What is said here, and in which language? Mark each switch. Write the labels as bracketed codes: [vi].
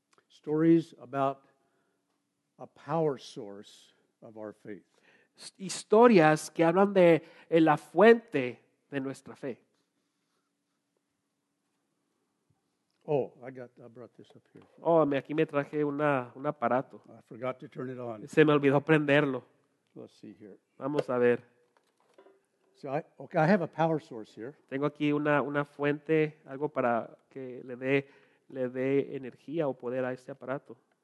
[en] Stories about a power source of our faith. [es] Historias que hablan de la fuente de nuestra fe. [en] Oh, I brought this up here. [es] Oh, aquí me traje un aparato. [en] I forgot to turn it on. [es] Se me olvidó prenderlo. [en] Let's see here. [es] Vamos a ver. [en] So I have a power source here. [es] Tengo aquí una fuente, algo para que le dé energía o poder a este aparato.